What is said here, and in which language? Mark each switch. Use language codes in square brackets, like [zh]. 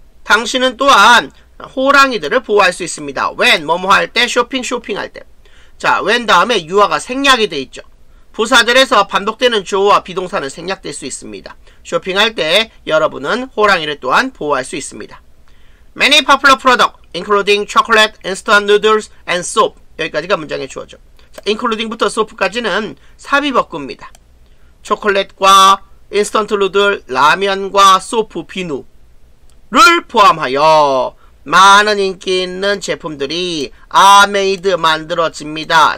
[ko] 당신은 또한 호랑이들을 보호할 수 있습니다. when, 뭐뭐 할 때, 쇼핑 할 때. 자, when 다음에 유아가 생략이 돼 있죠. 부사들에서 반복되는 주어와 비동사는 생략될 수 있습니다. 쇼핑할 때 여러분은 호랑이를 또한 보호할 수 있습니다. [en] Many popular products, including chocolate, instant noodles, and soap. [ko] 여기까지가 문장의 주어죠. 자, including부터 soap까지는 삽입어구입니다. 초콜릿과 인스턴트 누들, 라면과 소프, 비누를 포함하여 많은 인기 있는 제품들이 are made 만들어집니다.